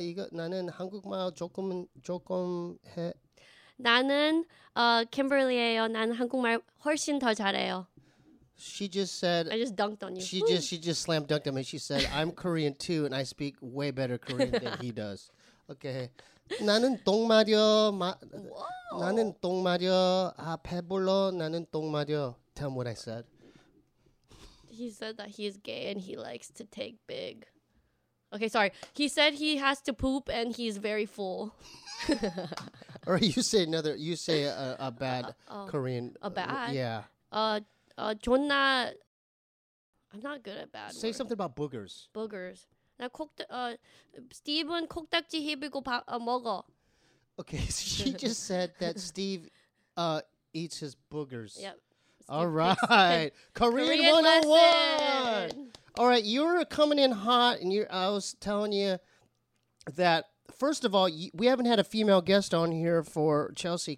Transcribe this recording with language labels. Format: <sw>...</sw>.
<ko>이거 나는 한국말 조금 해. 나는 Kimberly예요. 나는 한국말 훨씬 더 잘해요.</ko> <en>She just said... I just dunked on you. She just slam dunked him and she said, I'm Korean too and I speak way better Korean than he does. Okay.</en> <ko>나는 똥마려 나는 똥마려 아 배불러 나는 똥마려.</ko> <en>Tell him what I said. He said that he is gay and he likes to take big. Okay, sorry. He said he has to poop and he's very full. Or you say another. You say a bad Korean. A bad. Yeah. Jonna. I'm not good at bad. Say something about boogers. Boogers.</en> <ko>Now, Steven, 콕딱지 힙이고 먹어.</ko> <en>Okay, so she just said that Steve eats his boogers. Yep. All right. Korean 101. All right, you're coming in hot, and I was telling you that, first of all, we haven't had a female guest on here for Chelsea.</en>